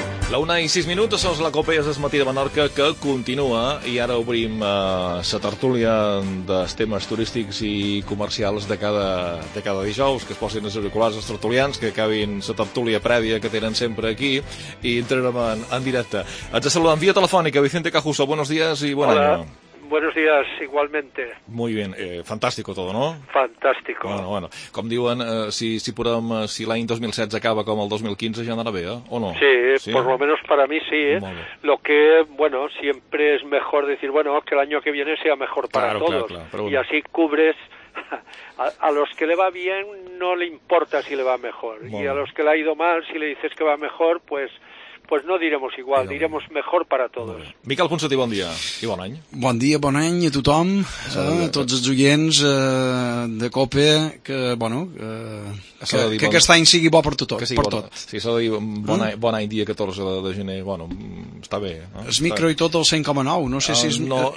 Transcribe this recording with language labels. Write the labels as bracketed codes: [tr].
[ca] 1:06, som la Copa i és el matí de Menorca que continua i ara obrim la tertúlia dels temes turístics i comercials de cada dijous, que es posin els auriculars als tertulians, que acabin la tertúlia prèvia que tenen sempre aquí i entrarem en directe. Ets a saludar en via telefònica, Vicente Cajuso, [es] buenos días y buen año. Buenos días, igualmente. Muy bien, fantástico todo, ¿no? Fantástico. [ca] Bueno, com diuen, si l'any 2016 acaba com el 2015, ja anarà bé, [es] ¿o no? Sí, sí, por lo menos para mí sí, ¿eh? Lo que, bueno, siempre es mejor decir, bueno, que el año que viene sea mejor para claro, todos. Claro, claro, pero bueno. Y así cubres a los que le va bien, no le importa si le va mejor. Bueno. Y a los que le ha ido mal, si le dices que va mejor, pues no diremos igual, diremos mejor para todos. [ca] Miquel Ponsatí, bon dia i bon any. Bon dia, bon any a tothom, a tots els oients de COPE, que, bueno, que aquest any sigui bo per tothom. Sí, s'ha de dir bon any, dia 14 de gener, bueno, està bé. El micro i tot el 100,9, no sé si és micro.